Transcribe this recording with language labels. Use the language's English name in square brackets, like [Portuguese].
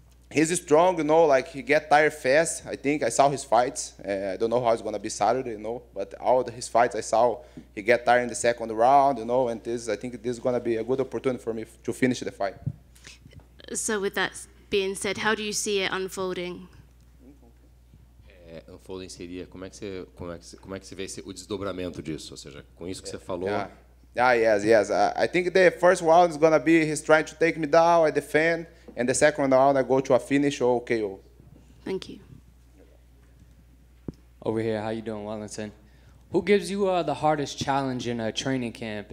[English] He's strong, you know, like he get tired fast. I think I saw his fights. I don't know how it's going to be Saturday, you know, but all his fights I saw, he get tired in the second round, you know, and I think this is going to be a good opportunity for me to finish the fight. So with that being said, how do you see it unfolding? [Portuguese] Unfolding seria, como é que você vê o desdobramento disso? Ou seja, com isso que você falou... [English] Yes. I think the first round is going to be he's trying to take me down, I defend, and the second round I go to a finish or KO. Thank you. Over here, how you doing, Wellington? Who gives you the hardest challenge in a training camp?